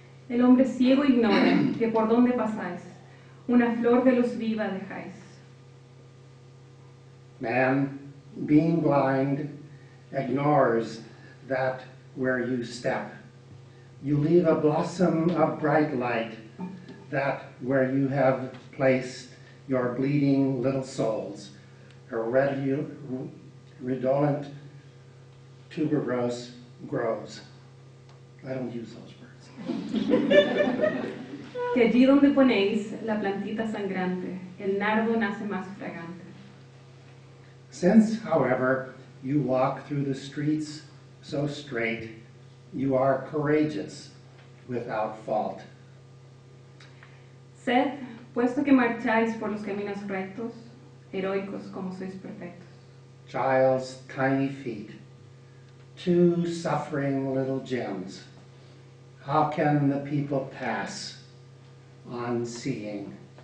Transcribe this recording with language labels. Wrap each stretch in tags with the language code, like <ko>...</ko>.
<es>El hombre ciego ignora que por donde pasáis, una flor de luz viva dejáis.</es> <en>Man, being blind, ignores that where you step. You leave a blossom of bright light that where you have placed your bleeding little souls, redolent tuberose grows. I don't use those words.</en> <es>Que allí donde ponéis la plantita sangrante, el nardo nace más fragante.</es> <en>Since, however, you walk through the streets so straight, you are courageous without fault.</en> <es>Sed, puesto que marcháis por los caminos rectos, heroicos como sois perfectos.</es> <en>Child's tiny feet, two suffering little gems. How can the people pass unseeing?</en>